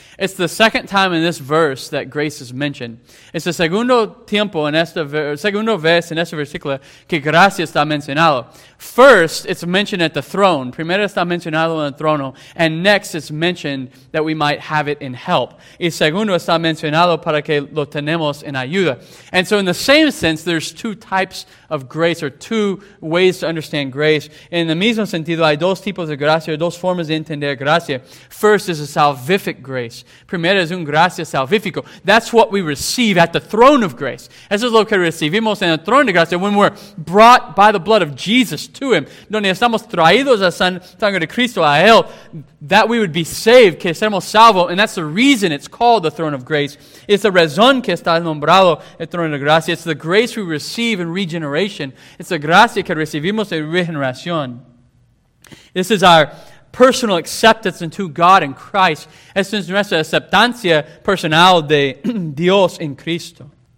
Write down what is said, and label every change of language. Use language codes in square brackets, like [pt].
[en] It's the second time in this verse that grace is mentioned. [es] Es el segundo tiempo en esta segundo vez en este versículo que gracia está mencionado. [en] First, it's mentioned at the throne. [es] Primero está mencionado en el trono. [en] And next, it's mentioned that we might have it in help. [es] Y segundo está mencionado para que lo tenemos en ayuda. [en] And so in the same sense, there's two types of grace or two ways to understand grace. [es] En el mismo sentido, hay dos tipos de gracia, dos formas de entender gracia. [en] First is a salvific grace. [es] Primero es un gracia salvífico. [en] That's what we receive at the throne of grace. [es] Eso es lo que recibimos en el trono de gracia [en] when we're brought by the blood of Jesus to Him, [es] donde estamos traídos a sangre de Cristo, a Él, [en] that we would be saved, [es] que seremos salvos, [en] and that's the reason it's called the throne of grace. It's the [es] razón que está nombrado el trono de gracia. [en] It's the grace we receive in regeneration. It's the [es] gracia que recibimos en regeneración. [en] This is our personal acceptance into God in Christ. [es] Esto es nuestra aceptancia personal de Dios en Cristo.